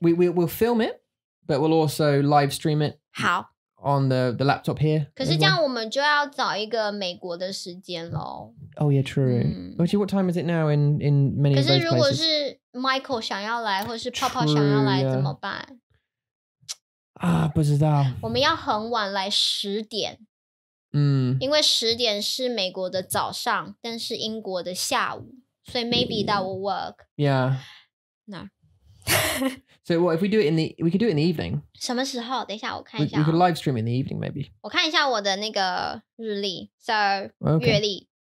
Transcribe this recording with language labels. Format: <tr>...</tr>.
<en>We'll film it, but we'll also live stream it.</en> <zh>好。</zh> <en>On the laptop here.</en> <zh>可是這樣我們就要找一個美國的時間咯。</zh> <en>Oh yeah, true. Actually, what time is it now in many of those places?</en> <zh>可是如果是 Michael 想要來,或是泡泡想要來,怎麼辦? 啊,不知道。我們要很晚來十點。因为十点是美国的早上，但是英国的下午，所以</zh> <en>maybe that will work. Yeah. No. So what if we do it in the, we could do it in the evening.</en> <zh>什么时候？等一下，我看一下。</zh> <en>We could live stream in the evening, maybe.</en> <zh>我看一下我的那个日历 ，so 月历。</zh>